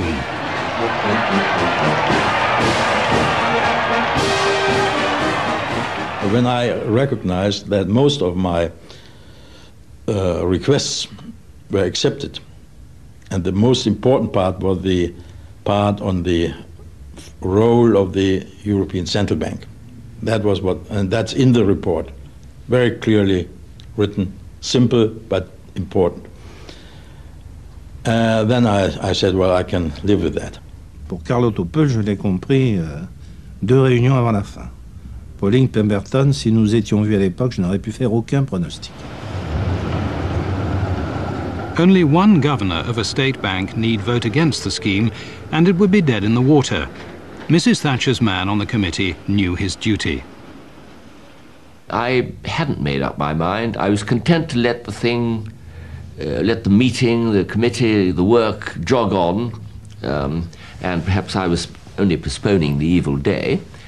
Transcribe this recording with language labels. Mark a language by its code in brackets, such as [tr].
[en] When I recognized that most of my requests were accepted, and the most important part was the part on the role of the European Central Bank. That was what, and that's in the report, very clearly written, simple but important. Then I said, well, I can live with that. [fr] Pour Carlo Topel, je l'ai compris deux réunions avant la fin. Pauline Pemberton, si nous étions vus à l'époque, je n'aurais pu faire aucun pronostic. [en] Only one governor of a state bank need vote against the scheme, and it would be dead in the water. Mrs. Thatcher's man on the committee knew his duty. I hadn't made up my mind. I was content to let the thing, let the meeting, the committee, the work jog on, and perhaps I was only postponing the evil day.